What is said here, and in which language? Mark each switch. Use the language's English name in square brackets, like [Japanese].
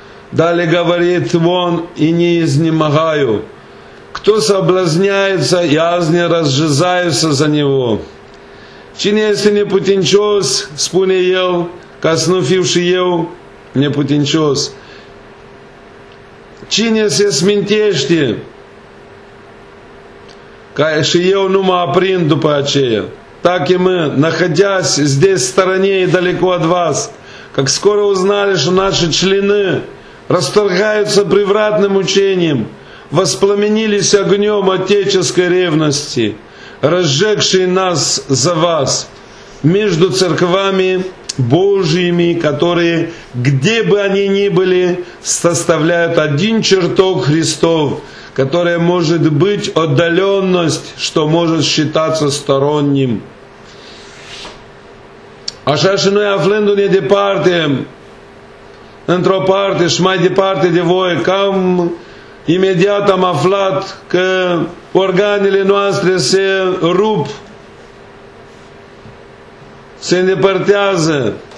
[Russian] Далее говорит он, и не изнемогаю. Кто соблазняется, я не разжизаюсь за него. [Romanian] Cine este neputincios, spune el, ca să nu fiu și eu neputincios. Cine se smintește, ca și eu nu mă aprind după aceea. [Russian] Так и мы, находясь здесь в стороне и далеко от вас, как скоро узнали, что наши члены расторгаются превратным учением, воспламенились огнем отеческой ревности, разжегший нас за вас между церквами Божьими, которые, где бы они ни были, составляют один чертог Христов, которая может быть отдаленность, что может считаться сторонним. [Romanian] Așa și noi, aflându-ne departe, într-o parte și mai departe de voi, cam imediat am aflat că organele noastre se rup, se îndepărtează